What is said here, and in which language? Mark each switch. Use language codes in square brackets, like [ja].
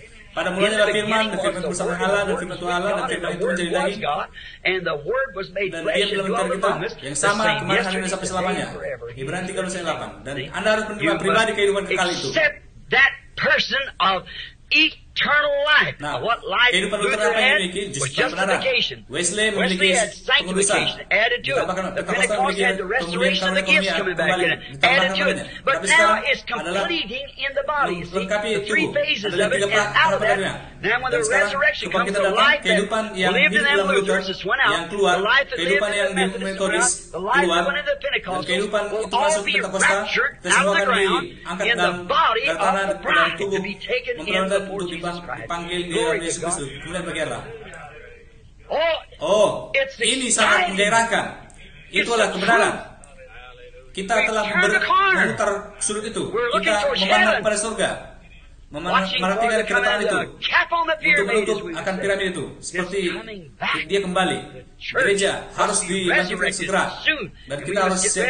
[id] Pada mulanya adalah Firman, dan Firman bersama Allah, dan Firman itu Allah, dan Firman itu menjadi daging. [en] And the word was made flesh and dwelt among us, [id] yang sama kemarin hari ini sampai selamanya. Ibrani 3:8. Dan Anda harus menerima pribadi kehidupan kekal itu. [en] Person of eternal life. [id] Nah, [en] of what life Luther had justification. Wesley had sanctification added to it. The Pentecost had the restoration of the gifts coming back in it added to it. But now it's completing in the body. You see, the three phases of it, and out of that, now when the resurrection comes, the life that lived in them Luther just went out, [id] keluar, [en] the life that lived in the Methodist, the life that went in the Pentecost, all be raptured out of the ground in the body of the bride to be taken in the Lord Jesus Christ. [id] Dipanggil di dalam Yesus Kristus. Kemudian bagaimana? Oh, ini sangat menggairahkan. Itulah kebenaran. Kita telah memutar sudut itu. Kita memandang pada surga. Memerhatikan kedatangan itu untuk menutup akan piramid itu. Seperti dia kembali, gereja harus dibangkitkan segera, dan kita harus siap.